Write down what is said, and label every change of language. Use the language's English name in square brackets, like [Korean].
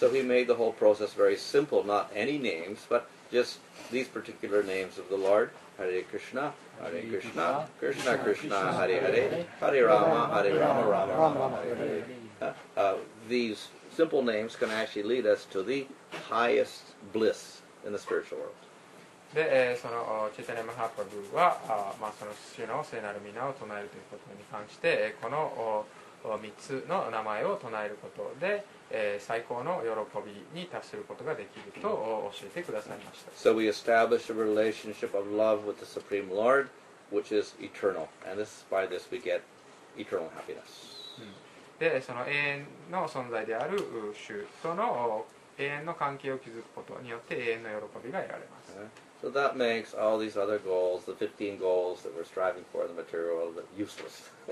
[English] So he made the whole process very simple, not any names, but just these particular names of the Lord. [Sanskrit] Hare Krishna, Hare Krishna, Krishna Krishna, Hare Hare, Hare Rama, Hare Rama, Rama Rama, Hare Hare. [English] These simple names can actually lead us to the highest bliss in the spiritual world. [Japanese] で、そのチェタニャ・マハプラブは、まあ、その主の聖なる皆を唱えるということに関して、この3つの名前を唱えることで、最高の喜びに達することができると教えてくださいました。 [English] So we establish a relationship of love with the Supreme Lord, which is eternal. And this, by this we get eternal happiness. [Japanese] で、その永遠の存在である主との永遠の関係を築くことによって永遠の喜びが得られます。 [English] So that makes all these other goals, the 15 goals that we're striving for in the material world, useless.